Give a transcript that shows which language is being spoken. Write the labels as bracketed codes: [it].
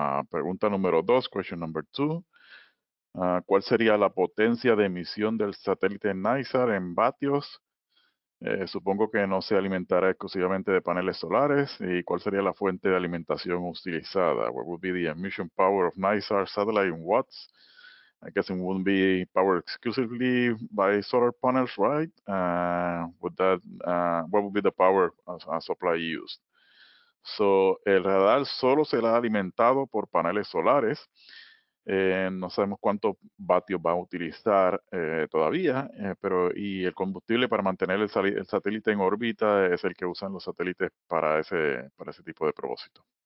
[es] Pregunta número dos, [en] question number two. [es] ¿Cuál sería la potencia de emisión del satélite NISAR en vatios? Supongo que no se alimentará exclusivamente de paneles solares. ¿Y cuál sería la fuente de alimentación utilizada? [en] What would be the emission power of NISAR satellite in watts? I guess it wouldn't be powered exclusively by solar panels, right? What would be the power supply used? So, [es] el radar solo será alimentado por paneles solares. No sabemos cuántos vatios va a utilizar todavía, pero y el combustible para mantener el satélite en órbita es el que usan los satélites para ese tipo de propósito.